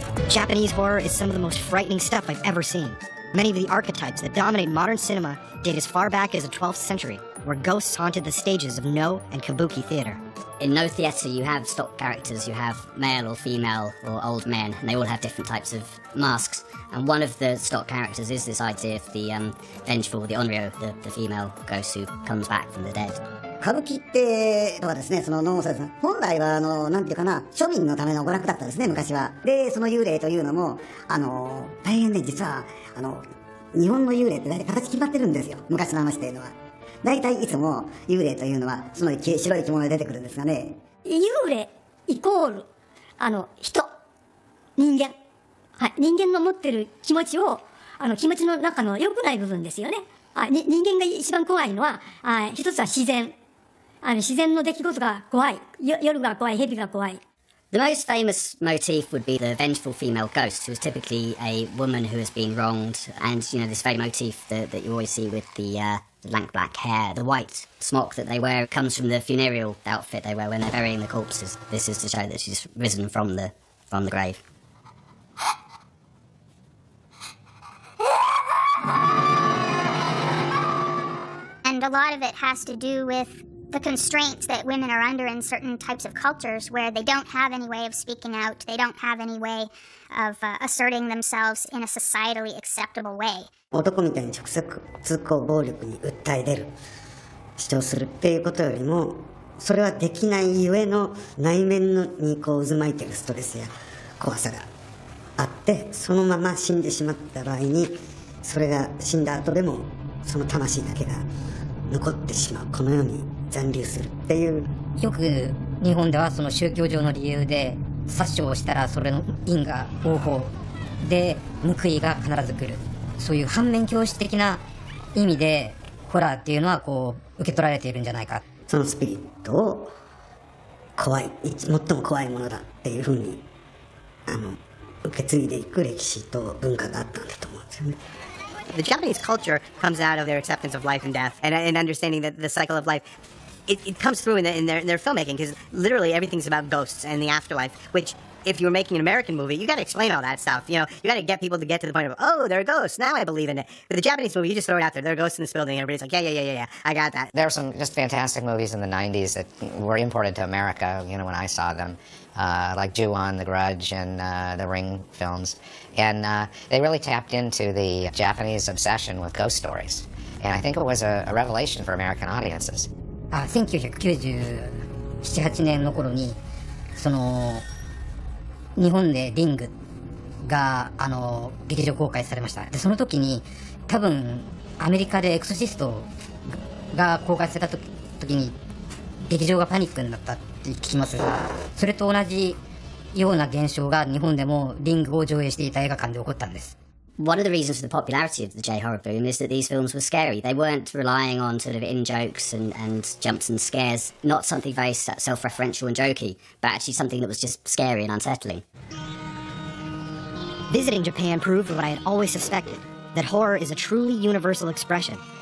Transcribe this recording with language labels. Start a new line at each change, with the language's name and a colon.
English: Japanese horror is some of the most frightening stuff I've ever seen. Many of the archetypes that dominate modern cinema date as far back as the 12th century, where ghosts haunted the stages of no and kabuki theater. In no theater, you have stock characters. You have male or female or old men, and they all have different types of masks. And one of the stock characters is this idea of the vengeful, the onryo, the female ghost who comes back from the dead.
Japanese: Kabuki ってとはですね、その能者さん、本来はなんていうかな、庶民のための娯楽だったんですね、昔は。で、その幽霊というのも、大変ね、実は、日本の幽霊って大体形決まってるんですよ、昔の話っていうのは。大体いつも幽霊というのは、その白い着物で出てくるんですがね。幽霊イコール、人、人間。はい、人間の持ってる気持ちを、気持ちの中の良くない部分ですよね。人間が一番怖いのは、一つは自然。自然の出来事が怖い。夜が怖い、蛇が怖い。
English: The most famous motif would be the vengeful female ghost, who is typically a woman who has been wronged. And, you know, this very motif that you always see with the lank black hair, the white smock that they wear comes from the funereal outfit they wear when they're burying the corpses. This is to show that she's risen from the grave. And a lot of it has to do with the constraints that women are under in certain types of cultures where they don't have any way of speaking out, they don't have any way of asserting themselves in a societally acceptable way.
Japanese: 男みたいに直接通行暴力に訴え出る、主張するっていうことよりも、それはできないゆえの内面のにこう渦巻いてるストレスや怖さがあって、そのまま死んでしまった場合に、それが死んだ後でもその魂だけが残ってしまう、このように残留するっていう。よく日本ではその宗教上の理由で殺傷をしたらそれの因果応報で報いが必ず来る、そういう反面教師的な意味でホラーっていうのはこう受け取られているんじゃないか。そのスピリットを怖い、最も怖いものだっていうふうに受け継いでいく歴史と文化があったんだと思うんですよね。
English: The Japanese culture comes out of their acceptance of life and death and understanding that the cycle of life, it comes through in their filmmaking, because literally everything's about ghosts and the afterlife, which if you were making an American movie, you got to explain all that stuff. You know, you got to get people to get to the point of, oh, there are ghosts, now I believe in it. But the Japanese movie, you just throw it out there, there are ghosts in this building, and everybody's like, yeah, I got that. There were some just fantastic movies in the 90s that were imported to America, you know, when I saw them. Like Ju-on, The Grudge, and the Ring films. And they really tapped into the Japanese obsession with ghost stories. And I think it was a revelation for American audiences.
Japanese: 1997、98年の頃に、その、日本でリングが劇場公開されました。で、その時に、多分、アメリカでエクソシストが公開された時に、劇場がパニックになったって聞きます。それと同じような現象が日本でもリングを上映していた映画館で起こったんです。
English: one of the reasons for the popularity of the J-horror boom is that these films were scary. They weren't relying on sort of in-jokes and jumps and scares, not something very self-referential and jokey, but actually something that was just scary and unsettling. Visiting Japan proved what I had always suspected, that horror is a truly universal expression.